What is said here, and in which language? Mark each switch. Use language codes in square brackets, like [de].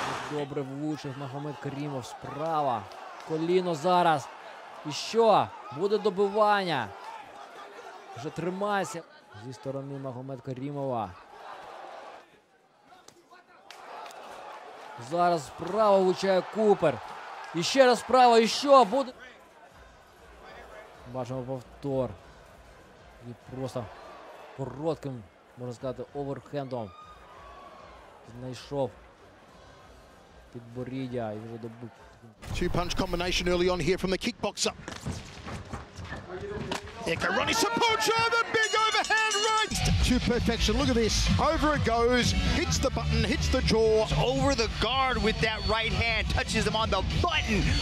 [uk] Добрый в лучших Магомед Каримов справа. Коліно зараз. І що? Буде добивання. Вже тримайся зі сторони Магомед Карімова. Зараз справа влучає Купер. І ще раз справа. І що? Буде. Бачимо повтор. І просто коротким, можна сказати, оверхендом знайшов підборіддя і вже добив. [en] Two punch combination early on here from the kickboxer. Here comes Ronnie Sapocha, the big overhand right to perfection. Look at this. Over it goes, hits the button, hits the jaw. Over the guard with that right hand, touches him on the button.